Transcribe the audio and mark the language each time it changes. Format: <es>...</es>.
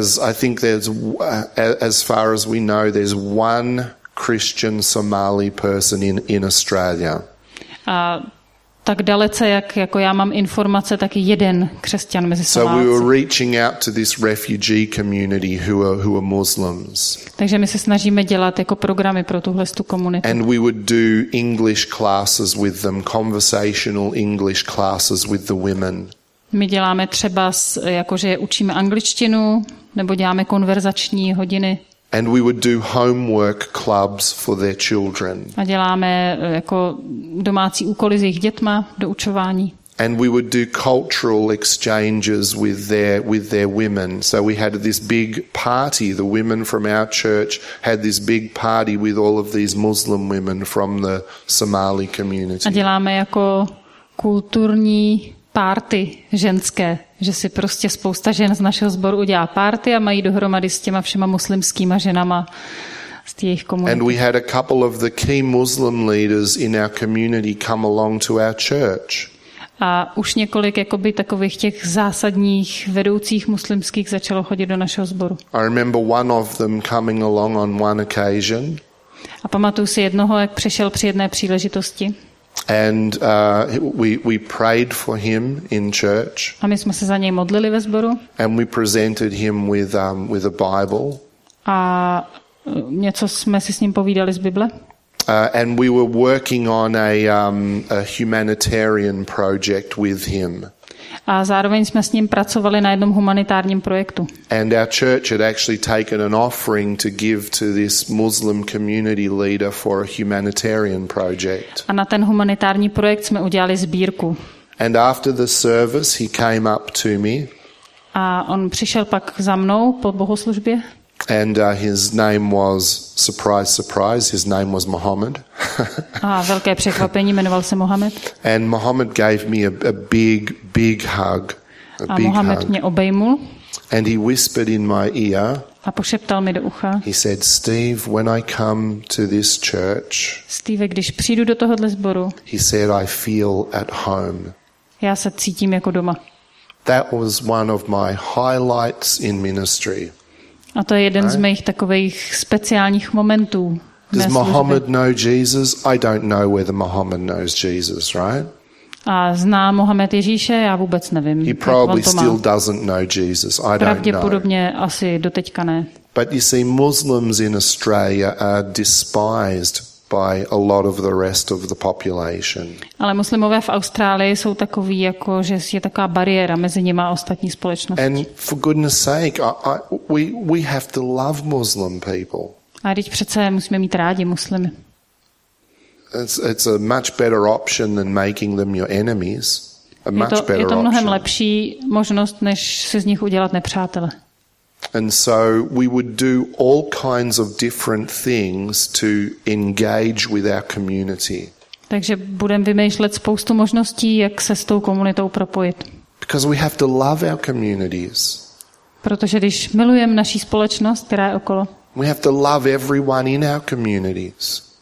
<en>I think there's as far as we know there's one Christian Somali person in Australia.</en> <cs>A tak dalece, jak jako já mám informace, tak je jeden křesťan mezi Somálci.</cs> <en>So we were reaching out to this refugee community who are Muslims.</en> <cs>Takže my se snažíme dělat jako programy pro tuhle tu komunitu.</cs> <en>And we would do English classes with them, conversational English classes with the women.</en> <cs>My děláme třeba, jakože učíme angličtinu, nebo děláme konverzační hodiny.</cs> <en>And we would do homework clubs for their children.</en> <cs>A děláme jako domácí úkoly s jejich dětma, doučování.</cs> <en>And we would do cultural exchanges with their women. So we had this big party. The women from our church had this big party with all of these Muslim women from the Somali community.</en> <cs>A děláme jako kulturní party ženské, že si prostě spousta žen z našeho sboru udělá party a mají dohromady s těma všema muslimskýma ženama z jejich komunity.</cs> <en>And we had a couple of the key Muslim leaders in our community come along to our church.</en> <cs>A už několik jakoby takových těch zásadních vedoucích muslimských začalo chodit do našeho sboru.</cs> <en>I remember one of them coming along on one occasion.</en> <cs>A pamatuju si jednoho, jak přišel při jedné příležitosti.</cs> <en>And we prayed for him in church.</en> <cs>A my jsme se za něj modlili ve sboru.</cs> <en>And we presented him with a Bible.</en> <cs>A něco jsme si s ním povídali z Bible.</cs> <en>And we were working on a humanitarian project with him.</en> <cs>A zároveň jsme s ním pracovali na jednom humanitárním projektu.</cs> <en>And our church had actually taken an offering to give to this Muslim community leader for a humanitarian project.</en> <cs>A na ten humanitární projekt jsme udělali sbírku.</cs> <en>And after the service he came up to me.</en> <cs>A on přišel pak za mnou po bohoslužbě.</cs> <en>And his name was surprise, his name was Mohammed.</en> <cs>A velké překvapení, jmenoval se Mohammed.</cs> <en>And Mohammed gave me a big hug.</en> <cs>Mohammed mě obejmul.</cs> <en>And he whispered in my ear.</en> <cs>A pošeptal mi do ucha.</cs> <en>He said, "Steve, when I come to this church."</en> <cs>Steve, když přijdu do tohohle sboru.</cs> <en>He said, "I feel at home."</en> <cs>Já se cítím jako doma.</cs> <en>That was one of my highlights in ministry.</en> <cs>A to je jeden z mých takových speciálních momentů.</cs> <en>Does Mohammed know Jesus? I don't know whether Mohammed knows Jesus, right?</en> <cs>A zná Mohamed Ježíše? Já vůbec nevím.</cs> <en>He probably still doesn't know Jesus. I don't know.</en> <cs>Pravděpodobně asi doteďka ne.</cs> <en>But you see, Muslims in Australia are despised by a lot of the rest of the population.</en> <cs>Ale muslimové v Austrálii jsou takoví, jako že je taková bariéra mezi nimi a ostatní společností.</cs> <en>And for goodness sake, we have to love Muslim people.</en> <cs>A teď přece musíme mít rádi muslimy.</cs> <en>It's a much better option than making them your enemies. A much better option.</en> <cs>Je to mnohem</cs> <en>option.</en> <cs>Lepší možnost, než si z nich udělat nepřátele.</cs> <en>And so we would do all kinds of different things to engage with our community.</en> <cs>Takže budeme vymýšlet spoustu možností, jak se s tou komunitou propojit.</cs> <en>Because we have to love our communities.</en> <cs>Protože když milujeme naši společnost, která je okolo.</cs> <en>We have to love everyone in our communities.</en>